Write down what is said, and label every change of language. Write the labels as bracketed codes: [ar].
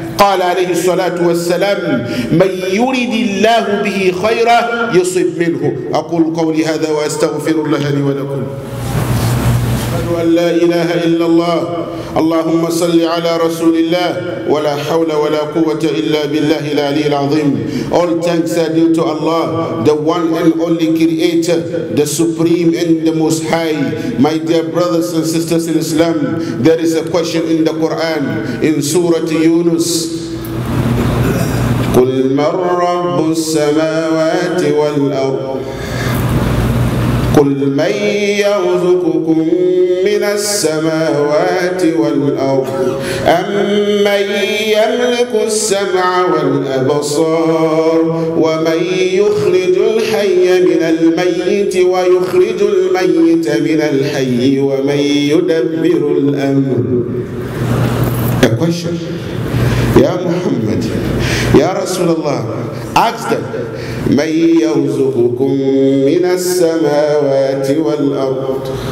[ar] قال عليه الصلاة والسلام: من يرد الله به خيرا يصب منه. أقول قولي هذا وأستغفر الله لي ولكم. أشهد أن لا إله إلا الله. اللهم صل على رسول الله. ولا حول ولا قوة إلا بالله العلي العظيم. [en] All thanks are due to Allah, the one and only creator, the supreme and the most high. My dear brothers and sisters in Islam, there is a question in the Quran, in Surah Yunus. [ar] قل من رب السماوات والأرض قل من يرزقكم من السماوات والأرض أمن يملك السمع والأبصار ومن يخرج الحي من الميت ويخرج الميت من الحي ومن يدبر الأمر. [en] A question. [ar] Ya Muhammad, Ya Rasulullah, [en] ask them, [ar] مَنْ يَوْزُقُكُمْ مِنَ السَّمَاوَاتِ وَالْأَرْضِ.